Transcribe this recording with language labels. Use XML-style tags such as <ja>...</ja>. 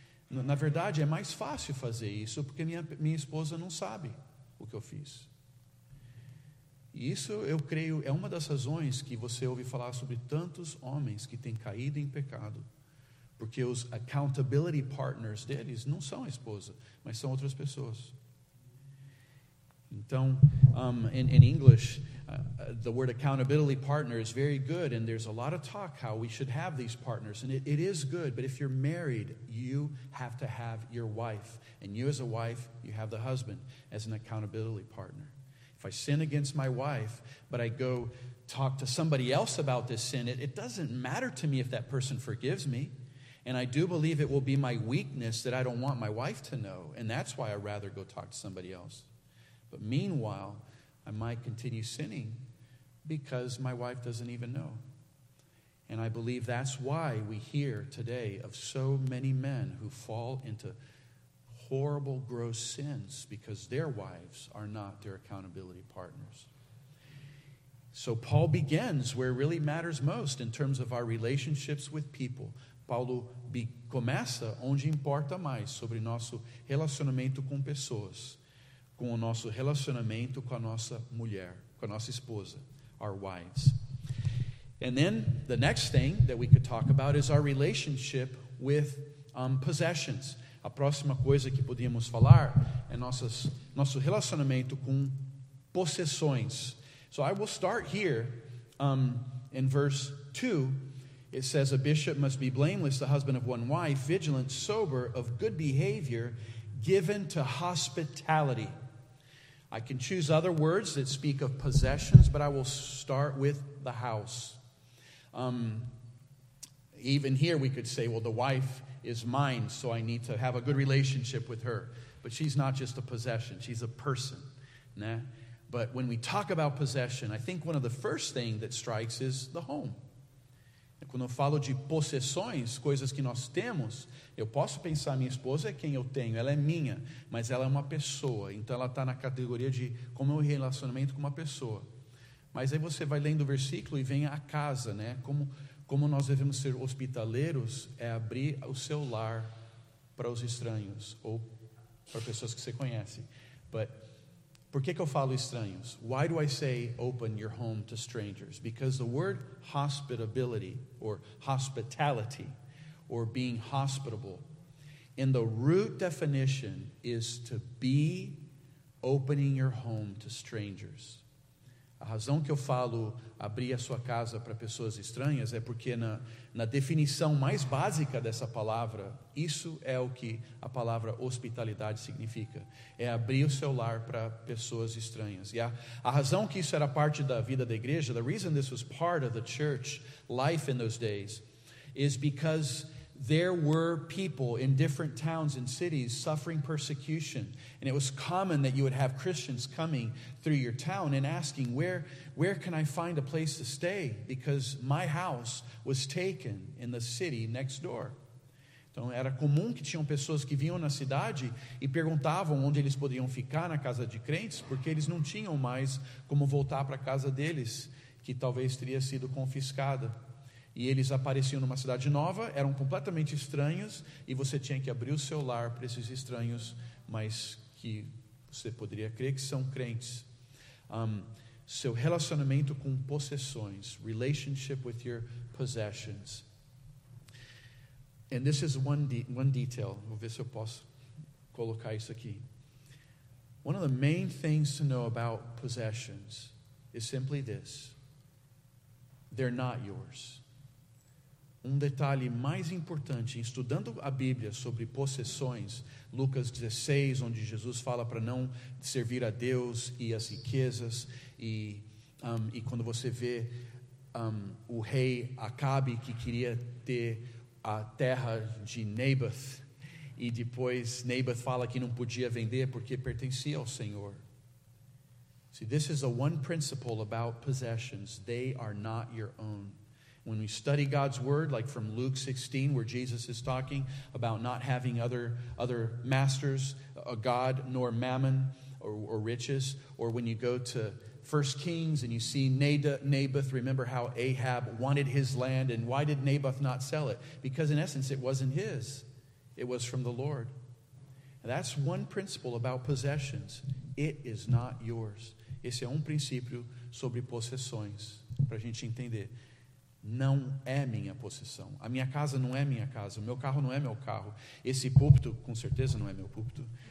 <pt>Na verdade, é mais fácil fazer isso porque minha esposa não sabe o que eu fiz. E isso, eu creio, é uma das razões que você ouve falar sobre tantos homens que têm caído em pecado, porque os accountability partners deles não são a esposa, mas são outras pessoas. Então,</pt> <en>in English, the word accountability partner is very good, and there's a lot of talk how we should have these partners, and it is good, but if you're married, you have to have your wife, and you as a wife, you have the husband as an accountability partner. If I sin against my wife, but I go talk to somebody else about this sin, it doesn't matter to me if that person forgives me. And I do believe it will be my weakness that I don't want my wife to know. And that's why I'd rather go talk to somebody else. But meanwhile, I might continue sinning because my wife doesn't even know. And I believe that's why we hear today of so many men who fall into horrible, gross sins, because their wives are not their accountability partners. So Paul begins where it really matters most in terms of our relationships with people.</en> <pt>Paulo começa onde importa mais, sobre nosso relacionamento com pessoas, com o nosso relacionamento com a nossa mulher, com a nossa esposa,</pt> <en>our wives. And then the next thing that we could talk about is our relationship with possessions.</en> <pt>A próxima coisa que podíamos falar é nosso relacionamento com possessões.</pt> <en>So I will start here in verse 2. It says, a bishop must be blameless, the husband of one wife, vigilant, sober, of good behavior, given to hospitality. I can choose other words that speak of possessions, but I will start with the house. Even here we could say, well, the wife is mine, so I need to have a good relationship with her. But she's not just a possession, she's a person. Nah? But when we talk about possession, I think one of the first things that strikes is the home.</en> <pt>Quando eu falo de possessões, coisas que nós temos, eu posso pensar, minha esposa é quem eu tenho, ela é minha, mas ela é uma pessoa, então ela está na categoria de como é um relacionamento com uma pessoa. Mas aí você vai lendo o versículo e vem a casa, né? Como nós devemos ser hospitaleiros é abrir o seu lar para os estranhos ou para pessoas que você conhece.</pt> <en>But</en> <pt>por que eu falo estranhos?</pt> <en>Why do I say open your home to strangers? Because the word hospitability or hospitality or being hospitable in the root definition is to be opening your home to strangers.</en> <pt>A razão que eu falo abrir a sua casa para pessoas estranhas é porque na definição mais básica dessa palavra, isso é o que a palavra hospitalidade significa. É abrir o seu lar para pessoas estranhas. E a razão que isso era parte da vida da igreja,</pt> <en>the reason this was part of the church life in those days, is because there were people in different towns and cities suffering persecution. And it was common that you would have Christians coming through your town and asking, where can I find a place to stay? Because my house was taken in the city next door.</en> <pt>Então, era comum que tinham pessoas que vinham na cidade e perguntavam onde eles podiam ficar na casa de crentes, porque eles não tinham mais como voltar para a casa deles, que talvez teria sido confiscada. E eles apareciam numa cidade nova, eram completamente estranhos, e você tinha que abrir o seu lar para esses estranhos, mas que você poderia crer que são crentes. Seu relacionamento com possessões,</pt> <en>relationship with your possessions. And this is one detail,</en> <pt>vou ver se eu posso colocar isso aqui.</pt> <en>One of the main things to know about possessions is simply this: they're not yours.</en> <pt>Detalhe mais importante em estudando a Bíblia sobre possessões, Lucas 16, onde Jesus fala para não servir a Deus e as riquezas, e quando você vê o rei Acabe, que queria ter a terra de Naboth, e depois Naboth fala que não podia vender porque pertencia ao Senhor.</pt> <en>See, this is the one principle about possessions: they are not your own. When we study God's word, like from Luke 16, where Jesus is talking about not having other masters, a god nor mammon or riches, or when you go to 1 Kings and you see Naboth, remember how Ahab wanted his land, and why did Naboth not sell it? Because in essence, it wasn't his. It was from the Lord. And that's one principle about possessions. It is not yours.</en> <pt>Esse é princípio sobre possessões, para a gente entender. Não é minha possessão. A minha casa não é minha casa. O meu carro não é meu carro. Esse púlpito, com certeza, não é meu púlpito.</pt>